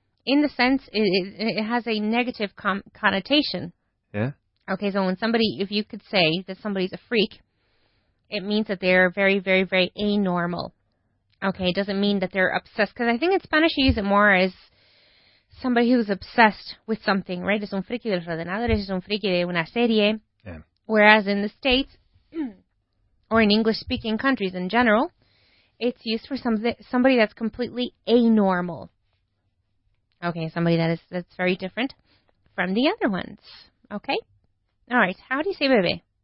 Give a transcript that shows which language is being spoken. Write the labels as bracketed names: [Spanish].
[English] In the sense, it has a negative connotation. Yeah. Okay, so when somebody, if you could say that somebody's a freak, it means that they're very, very, very anormal. Okay, it doesn't mean that they're obsessed. Because I think in Spanish you use it more as somebody who's obsessed with something, right? [Spanish] Es un friki de los ordenadores, es un friki de una serie. [English] Yeah. Whereas in the States, or in English-speaking countries in general, it's used for somebody that's completely anormal. Okay, somebody that's very different from the other ones. Okay? All right, how do you say bebé?